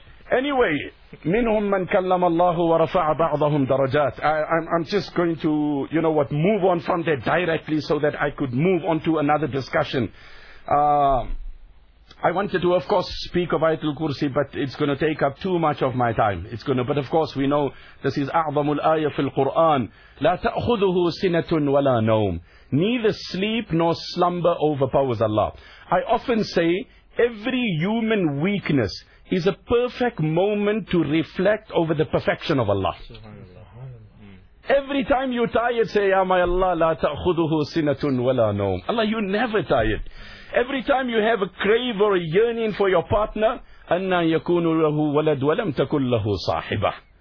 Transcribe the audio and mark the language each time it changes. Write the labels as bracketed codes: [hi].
[en] Anyway, [ar] minhum man kallama Allahu wa rafa'a ba'dahum darajat. [en] I'm just going to, you know what, move on from there directly so that I could move on to another discussion. I wanted to, of course, speak of Ayatul Kursi, but it's going to take up too much of my time. But of course, we know this is [ar] أَعْظَمُ الْآيَةِ فِي الْقُرْآنِ لَا تَأْخُذُهُ سِنَةٌ وَلَا نَوْمٌ. [en] Neither sleep nor slumber overpowers Allah. I often say every human weakness is a perfect moment to reflect over the perfection of Allah. Every time you're tired, say, Ya my Allah, [ar] لَا تَأْخُذُهُ سِنَةٌ وَلَا نَوْمٌ. [en] Allah, you're never tired. Every time you have a crave or a yearning for your partner, [ar] أَنَّا يَكُونُ لَهُ وَلَدْ وَلَمْ تَكُنْ لَهُ صَاحِبَةٌ.